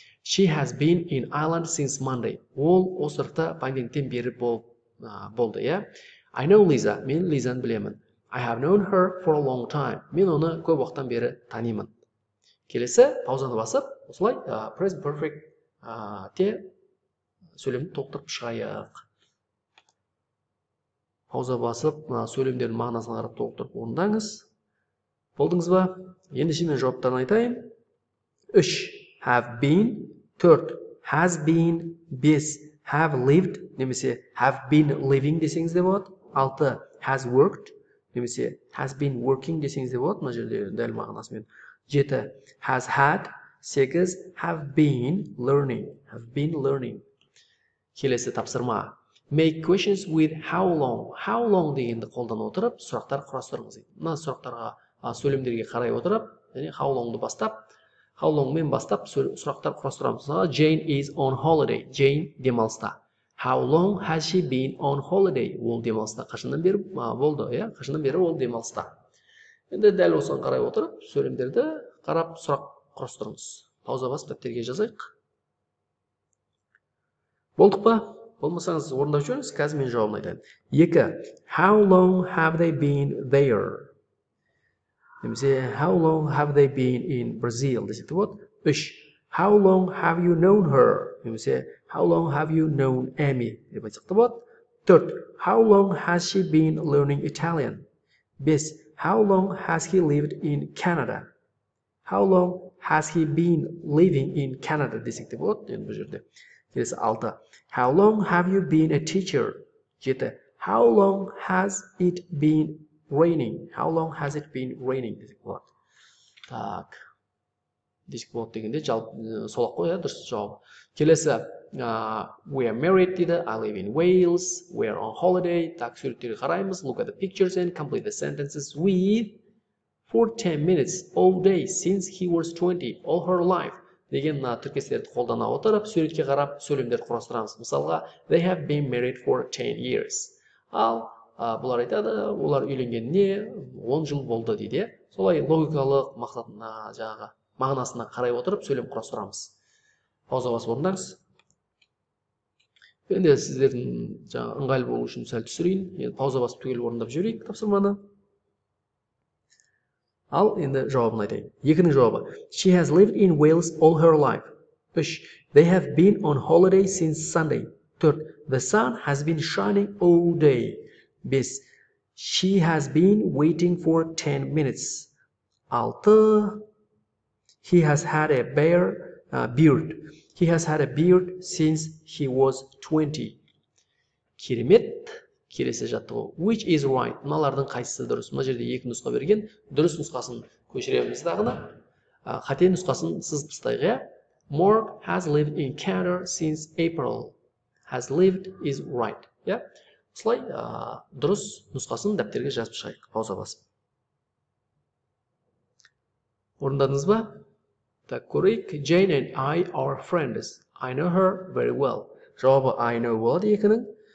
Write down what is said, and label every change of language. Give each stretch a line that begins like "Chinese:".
English: She has been in Ireland since Monday.
Kazakh: Ол островта пандемиден бері болды,
English: yeah? I know Lisa.
Kazakh: Мен Лизаны білемін.
English: I have known her for a long time.
Kazakh: Мен оны көп уақыттан бері танимын. Келесі, паузаны басып, осылай present perfect те сөйлемді толықтырып шығайық. Пауза басып, сөйлемдердің мағынасын қарап толықтырып орындаңыз. Болдыңыз ба? Енді шемен жауаптарын айтайын.
English: 3. Have been. 4. Has been. 5. Have lived.
Kazakh: Немесе,
English: have been living
Kazakh: десеңіз де болады.
English: 6. Has worked.
Kazakh: Немесе,
English: has been working
Kazakh: десеңіз де болады. Мына жерде дәл мағынасымен.
English: 7. Has had. 8. Have been learning. Have been learning.
Kazakh: Келесі тапсырма.
English: Make questions with how long.
Kazakh: How long дегенді қолдан отырып, сұрақтар құрастырыңыз. Мына сұрақтарға сөйлемдерге қарай отырып, және how long-ды бастап, how long-мен бастап сұрақтар құрастырамыз.
English: Jane is on holiday.
Kazakh: Jane демалыста.
English: How long has she been on holiday?
Kazakh: Ол демалыста қашаннан бері болды, иә? Қашаннан бері ол демалыста. Енді дәл осыған қарай отырып, сөйлемдерді қарап сұрақ құрастырыңыз. Пауза басып дәптерге жазайық. Болдық па? Болмасаңыз орындап жүріңіз, қазір мен жауабын айтайын. 2.
English: How long have they been there? Немесе, how long have they been in Brazil?
Kazakh: Десек те болады. 3.
English: How long have you known her? Немесе, how long have you known Amy?
Kazakh: Деп айтсақ те болады. 4.
English: How long has she been learning Italian? 5. How long has he lived in Canada? How long has he been living in Canada?
Kazakh: Десек те болады. Енді бұл жерде. Келесі 6.
English: How long have you been a teacher? 7. How long has it been raining? How long has it been raining?
Kazakh: Десек болады. Так. Десек болады дегенде солақ қой, дұрыс жауап. Келесі.
English: We are married, дейді. I live in Wales. We are on holiday.
Kazakh: Так, суреттерге қараймыз.
English: Look at the pictures and complete the sentences with for 10 minutes all day since he was 20 all her life.
Kazakh: Деген тіркестерді қолдана отырып, суретке қарап, сөйлемдерді құрастырамыз.
English: Мысалға, they have been married for 10 years.
Kazakh: Ал, бұлар айтады, олар үйленгеніне 10 жыл болды дейді. Солай логикалық мақсатына, жаңағы мағынасына қарай отырып, сөйлем құрастырамыз. Пауза басып орындаңыз. Енді сіздердің жаңа ыңғайлы болу үшін сәл түсірейін. Енді пауза басып түгел орындап жіберейік тапсырманы. Ал енді жауабын айтайын. Екінің жауабы.
English: She has lived in Wales all her life. 3. They have been on holiday since Sunday. 4. The sun has been shining all day. 5. She has been waiting for 10 minutes. 6. He has had a beard. He has had a beard since he was 20.
Kazakh: Керемет. Келесі жаттығу.
English: Which is right?
Kazakh: Мыналардың қайсысы дұрыс? Мына жерде екі нұсқа берген. Дұрыс нұсқасын көшіреміз дағына. Қате нұсқасын сызып тастайық, иә?
English: Mark has lived in Canada since April. Has lived is right. Иә?
Kazakh: Осылай дұрыс нұсқасын дәптерге жазып шығайық. Пауза басып. Орындадыңыз ба? Так, көрейік.
English: Jane and I are friends. I know her very well.
Kazakh: Жауабы
English: I know
Kazakh: болады екінің.